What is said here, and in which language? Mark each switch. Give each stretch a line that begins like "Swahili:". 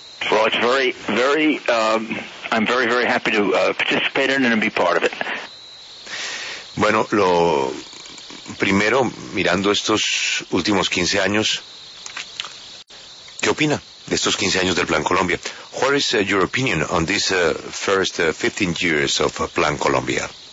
English: Well, it's very, very, I'm very, very happy to participate in it and be part of it.
Spanish: Bueno, lo primero, mirando estos últimos 15 años, ¿qué opina de estos 15 años del Plan Colombia?
English: What is your opinion on this first 15 years of Plan Colombia?